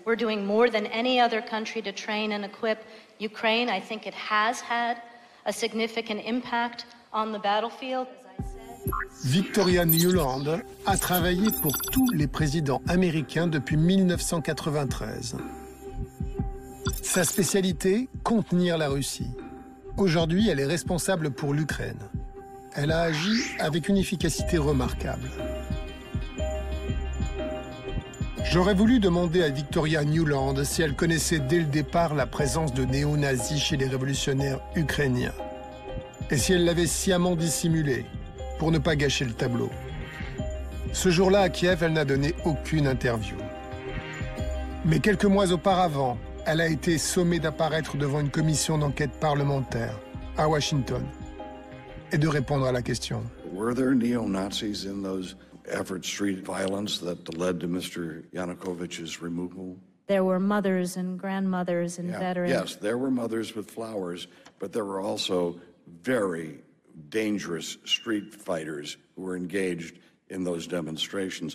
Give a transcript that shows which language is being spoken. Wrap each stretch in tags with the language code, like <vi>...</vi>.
<en>We're doing more than any other country to train and equip Ukraine. I think it has had a significant impact on the battlefield.</en> <fr>Victoria Nuland a travaillé pour tous les présidents américains depuis 1993. Sa spécialité, contenir la Russie. Aujourd'hui, elle est responsable pour l'Ukraine. Elle a agi avec une efficacité remarquable. J'aurais voulu demander à Victoria Nuland si elle connaissait dès le départ la présence de néo-nazis chez les révolutionnaires ukrainiens. Et si elle l'avait sciemment dissimulé, pour ne pas gâcher le tableau. Ce jour-là, à Kiev, elle n'a donné aucune interview. Mais quelques mois auparavant, elle a été sommée d'apparaître devant une commission d'enquête parlementaire à Washington et de répondre à la question.</fr> <en>Were there neo-Nazis in those efforts street violence that led to Mr. Yanukovych's removal? There were mothers and grandmothers and veterans. Yes, there were mothers with flowers, but there were also very dangerous street fighters who were engaged in those demonstrations.</en>